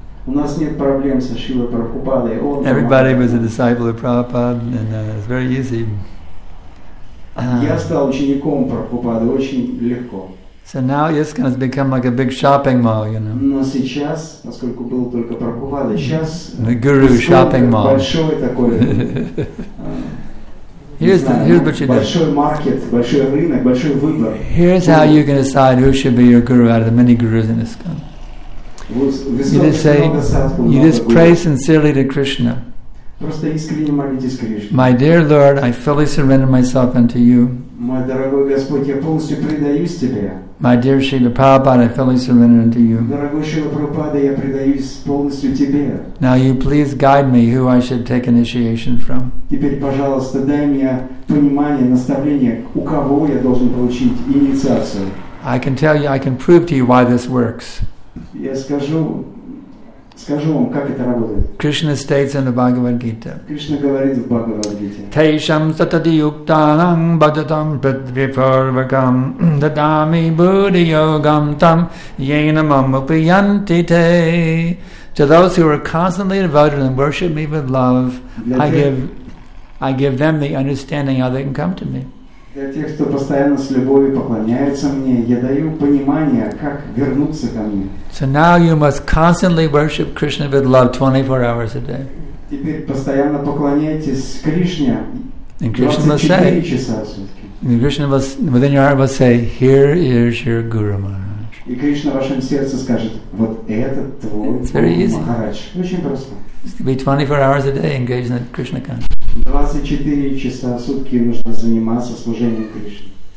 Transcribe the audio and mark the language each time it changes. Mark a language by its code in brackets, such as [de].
[ru] У нас нет проблем со Шрила Прабхупадой. [en] Everybody was a disciple of Prabhupada, and it was very easy. [ru] Я стал учеником Прабхупады очень легко. [en] So now ISKCON has become like a big shopping mall, you know. [ru] Но сейчас, поскольку был только Прабхупада, сейчас [en] the guru shopping mall. [ru] Большой такой. [en] Here's what you do. [ru] Большой маркет, большой рынок, большой выбор. [en] Here's how you can decide who should be your guru out of the many gurus in ISKCON. You just say, you just pray sincerely to Krishna. [ru] Просто искренне молитесь Кришне. [en] My dear Lord, I fully surrender myself unto you. [ru] Мой дорогой Господь, я полностью предаюсь тебе. [en] My dear Srila Prabhupada, I fully surrender unto you. [ru] Дорогой Шрила Прабхупада, я предаюсь полностью тебе. [en] Now you please guide me who I should take initiation from. [ru] Теперь, пожалуйста, дай мне понимание, наставление, у кого я должен получить инициацию. [en] I can tell you, I can prove to you why this works. [ru] Я скажу. Скажу вам, как это работает. [en] Krishna states in the Bhagavad Gita. [ru] Krishna говорит в Бхагавад-гите. [sa] Тейшам сатадиюктанам баджатам прит-випарвакам дадами буддийогам там йенамам упиянти те. [en] To those who are constantly devoted and worship me with love, I give them the understanding how they can come to me. [ru] Для тех, кто постоянно с любовью поклоняется мне, я даю понимание, как вернуться ко мне. [en] So now you must constantly worship Krishna with love 24 hours a day. [ru] Теперь постоянно поклоняйтесь Кришне. [en] And Krishna will say, within your heart will say, here is your Guru Maharaj. [ru] И Кришна в вашем сердце скажет, вот это твой Guru Maharaj. Очень просто. [en] To be 24 hours a day engaged in the Krishna consciousness. [ru] 24 часа в сутки нужно заниматься служением Кришне.